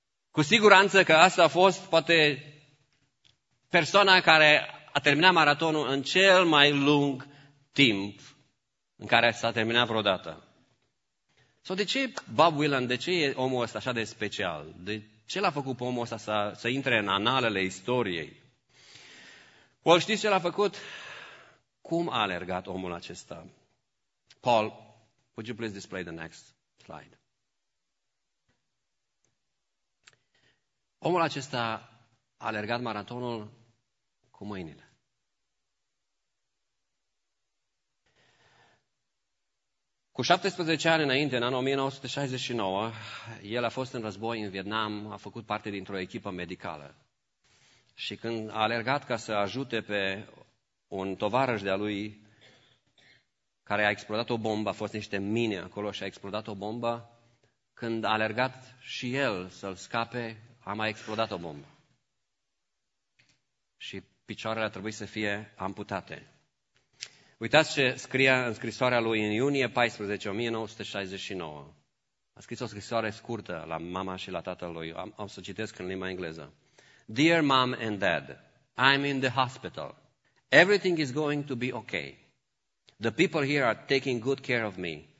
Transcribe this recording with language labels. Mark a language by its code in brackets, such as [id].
[ro] Cu siguranță că asta a fost poate persoana care a terminat maratonul în cel mai lung timp în care s-a terminat vreodată. Sau de ce Bob Willand, de ce e omul ăsta așa de special? De ce l-a făcut pe omul ăsta să intre în analele istoriei? Well, știți ce l-a făcut? Cum a alergat omul acesta? [en] Paul, would you please display the next slide? [ro] Omul acesta a alergat maratonul cu mâinile. Cu 17 ani înainte, în anul 1969, el a fost în război în Vietnam, a făcut parte dintr-o echipă medicală. Și când a alergat ca să ajute pe un tovarăș de-a lui care a explodat o bombă, a fost niște mine acolo și a explodat o bombă, când a alergat și el să-l scape, a mai explodat o bombă. Și picioarele a trebuit să fie amputate. Uitați ce scria în scrisoarea lui în iunie 14, 1969. A scris o scrisoare scurtă la mama și la tatăl lui. O să citesc în limba engleză. [en] Dear mom and dad, I'm in the hospital. Everything is going to be okay. The people here are taking good care of me.